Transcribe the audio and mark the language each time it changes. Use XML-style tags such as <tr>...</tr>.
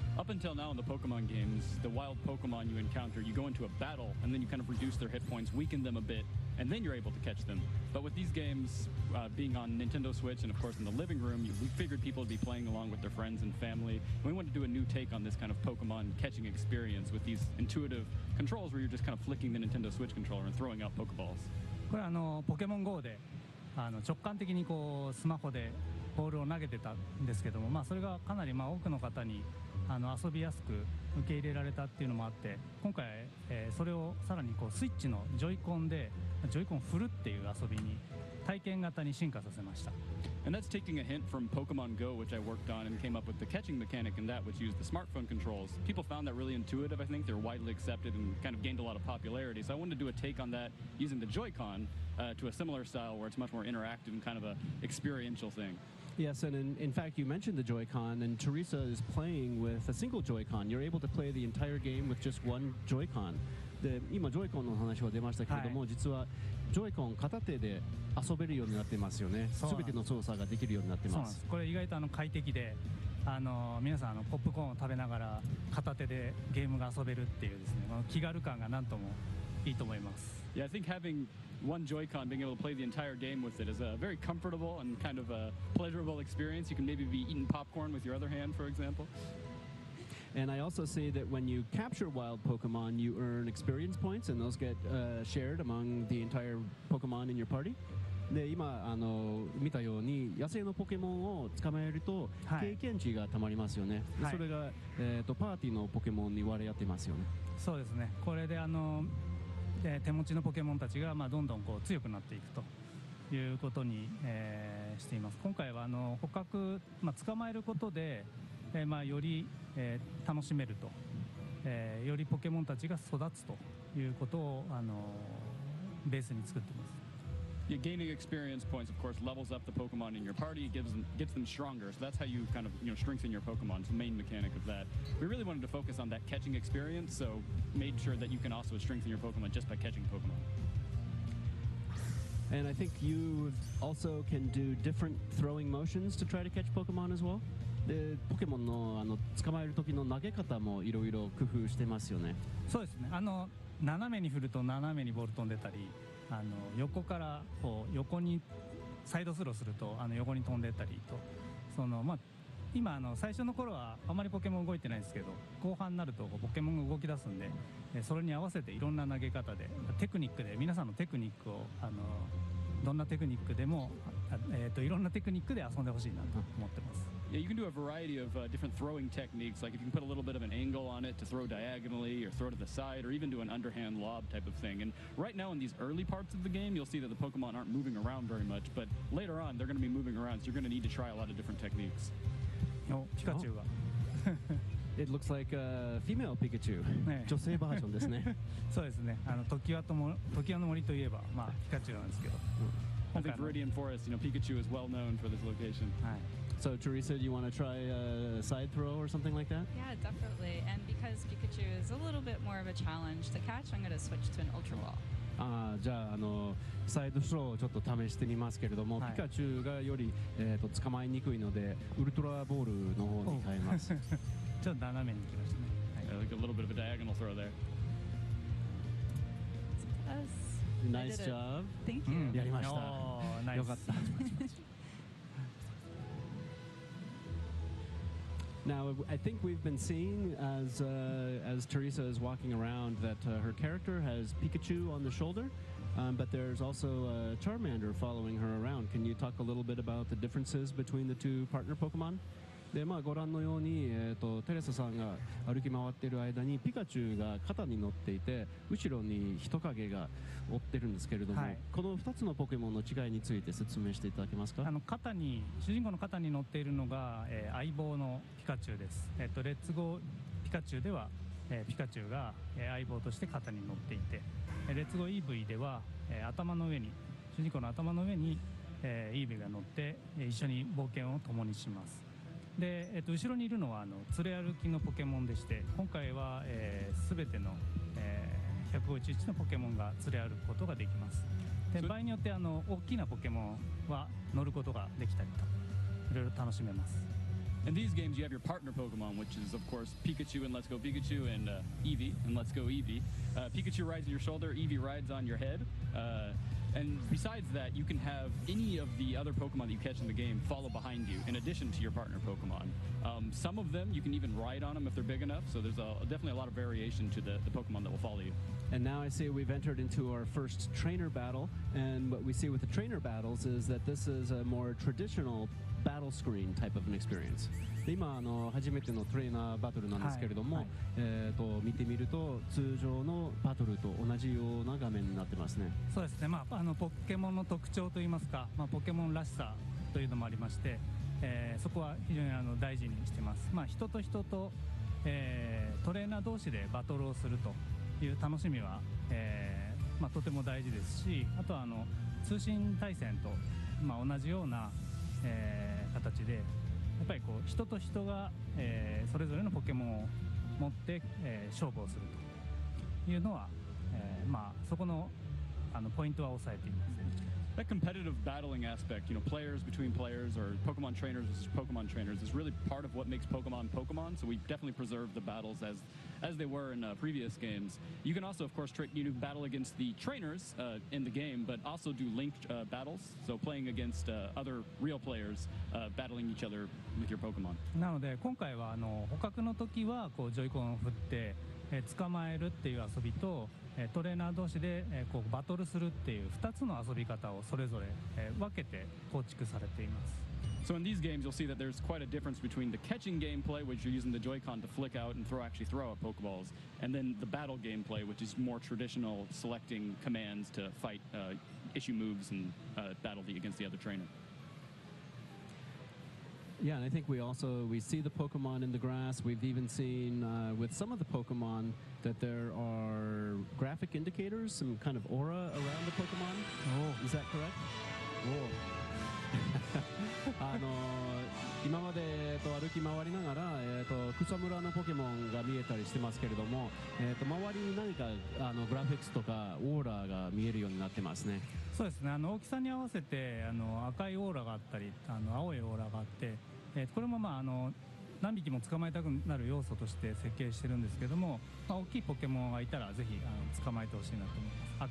<en>Up until now in the Pokemon games, the wild Pokemon you encounter, you go into a battle and then you kind of reduce their hit points, weaken them a bit, and then you're able to catch them. But with these games being on Nintendo Switch and of course in the living room, we figured people would be playing along with their friends and family. And we wanted to do a new take on this kind of Pokemon catching experience with these intuitive controls where you're just kind of flicking the Nintendo Switch controller and throwing out Pokeballs.</en> <ja>これ Pokemon Go で直感的にこうスマホでボールを投げてたんですけども、まあ、それがかなり、まあ、多くの方に遊びやすく受け入れられたっていうのもあって、今回、それをさらにこうスイッチのジョイコンで、ジョイコン振るっていう遊びに体験型に進化させました。</ja> <en>And that's taking a hint from Pokemon Go, which I worked on and came up with the catching mechanic in that, which used the smartphone controls. People found that really intuitive, I think. They're widely accepted and kind of gained a lot of popularity. So I wanted to do a take on that using the Joy-Con to a similar style where it's much more interactive and kind of an experiential thing. Yes, and in fact, you mentioned the Joy-Con, and Teresa is playing with a single Joy-Con. You're able to play the entire game with just one Joy-Con.</en> <ja>で、今、Joy-Con の話は出ましたけれども、実は、Joy-Con 片手で遊べるようになってますよね。すべての操作ができるようになってます。そうなんです。これ意外とあの快適で、あの皆さんあのポップコーンを食べながら片手でゲームが遊べるっていうですね、この気軽感がなんともいいと思います。</ja> <en>Yeah, I think having one Joy-Con, being able to play the entire game with it is a very comfortable and kind of a pleasurable experience. You can maybe be eating popcorn with your other hand, for example. And I also see that when you capture wild Pokemon, you earn experience points, and those get shared among the entire Pokemon in your party.</en> <ja>で、今あの見たように野生のポケモンを捕まえると経験値がたまりますよね。はい、それが、パーティーのポケモンに割り当てますよね。そうですね。これであの手持ちのポケモンたちがまあどんどんこう強くなっていくということに、しています。今回はあの捕獲、まあ、捕まえることで、まあ、より、楽しめると、よりポケモンたちが育つということをあのベースに作っています。</ja> <en>You're gaining experience points, of course, levels up the Pokemon in your party, gets them stronger. So that's how you kind of, you know, strengthen your Pokemon. It's the main mechanic of that. We really wanted to focus on that catching experience, so made sure that you can also strengthen your Pokemon just by catching Pokemon. And I think you also can do different throwing motions to try to catch Pokemon as well.</en> <ja>で、ポケモンのあの捕まえる時の投げ方もいろいろ工夫してますよね。そうですね。あの斜めに振ると斜めにボルト出たり。あの横からこう横にサイドスローするとあの横に飛んでったりと、そのまあ今あの最初の頃はあまりポケモン動いてないんですけど、後半になるとポケモンが動き出すんで、それに合わせていろんな投げ方でテクニックで、皆さんのテクニックをあのどんなテクニックでも、いろんなテクニックで遊んでほしいなと思ってます。</ja> <en>Yeah, you can do a variety of different throwing techniques, like if you can put a little bit of an angle on it to throw diagonally or throw to the side or even do an underhand lob type of thing. And right now in these early parts of the game, you'll see that the Pokemon aren't moving around very much, but later on they're going to be moving around, so you're going to need to try a lot of different techniques. Oh, Pikachu. Oh. It looks like a female Pikachu.</en> <ja>女性バージョンですね。そうですね。あの、時はの森といえば、まあ、ピカチュウなんですけど。</ja> <en>I think Viridian Forest, you know, Pikachu is well known for this location. So, Teresa, do you want to try a side throw or something like that? Yeah, definitely. And because Pikachu is a little bit more of a challenge to catch, I'm going to switch to an Ultra Ball.</en> <ja>じゃあ、あの、サイドスローをちょっと試してみますけれども、はい、ピカチュウがより、捕まえにくいので、ウルトラボールの方に変えます。ちょっと斜めに行きましたね。</ja> <en>はい、like a little bit of a diagonal throw there. Yes. Nice job. Thank you.</en> <ja>やりました。Nice. よかった。</ja> <en>Now, I think we've been seeing as Teresa is walking around that her character has Pikachu on the shoulder, but there's also a Charmander following her around. Can you talk a little bit about the differences between the two partner Pokemon?</en> <ja>で、まあ、ご覧のように、テレサさんが歩き回っている間にピカチュウが肩に乗っていて、後ろに人影が追ってるんですけれども、はい、この2つのポケモンの違いについて説明していただけますか？あの肩に、主人公の肩に乗っているのが、相棒のピカチュウです。レッツゴーピカチュウでは、ピカチュウが、相棒として肩に乗っていて、レッツゴーイーブイでは、頭の上に、主人公の頭の上に、イーブイが乗って、一緒に冒険を共にします。で、後ろにいるのはあの連れ歩きのポケモンでして、今回は、全ての、151のポケモンが連れ歩くことができます。で、場合によってあの大きなポケモンは乗ることができたりと、いろいろ楽しめます。</ja> <en>In these games, you have your partner Pokemon, which is, of course, Pikachu and Let's Go Pikachu and Eevee and Let's Go Eevee. Pikachu rides on your shoulder, Eevee rides on your head. And besides that, you can have any of the other Pokemon that you catch in the game follow behind you, in addition to your partner Pokemon. Some of them, you can even ride on them if they're big enough, so there's definitely a lot of variation to the Pokemon that will follow you. And now I see we've entered into our first trainer battle, and what we see with the trainer battles is that this is a more traditional battle screen type of an experience.</en> <ja>今あの初めてのトレーナーバトルなんですけれども、見てみると通常のバトルと同じような画面になってますね。そうですね。まあ、あのポケモンの特徴といいますか、まあ、ポケモンらしさというのもありまして、そこは非常にあの大事にしてます。まあ、人と人と、トレーナー同士でバトルをするという楽しみは、まあ、とても大事ですし、あとはあの通信対戦と、まあ、同じような、形でやっぱりこう人と人が、それぞれのポケモンを持って、勝負をするというのは、まあ、そこの、あのポイントは押さえています。</ja> <en>That competitive battling aspect, you know, players between players or Pokemon trainers versus Pokemon trainers is really part of what makes Pokemon Pokemon, so we definitely preserve the battles as they were in previous games. You can also, of course, battle against the trainers in the game, but also do linked battles, so playing against other real players, battling each other with your Pokemon.</en> <ja>なので今回はあの捕獲の時はこうジョイコンを振って、捕まえるっていう遊びと、トレーナー同士で、こうバトルするっていう2つの遊び方をそれぞれ、分けて構築されています。</ja> <en>So in these games, you'll see that there's quite a difference between the catching gameplay, which you're using the Joy-Con to flick out and throw out Pokeballs, and then the battle gameplay, which is more traditional selecting commands to fight, issue moves and battle against the other trainer. Yeah, and I think we see the Pokemon in the grass. We've even seen with some of the Pokemon that there are graphic indicators, some kind of aura around the Pokemon. Oh, is that correct? Oh.</en> <ja>あの今まで、歩き回りながら、草むらのポケモンが見えたりしてますけれども、周りに何かあのグラフィックスとかオーラが見えるようになってますね。そうですね。あの大きさに合わせてあの赤いオーラがあったりあの青いオーラがあって、これも、まあ、あの何匹も捕まえたくなる要素として設計してるんですけども、まあ、大きいポケモンがいたらぜひ捕まえてほしいなと思います。</ja>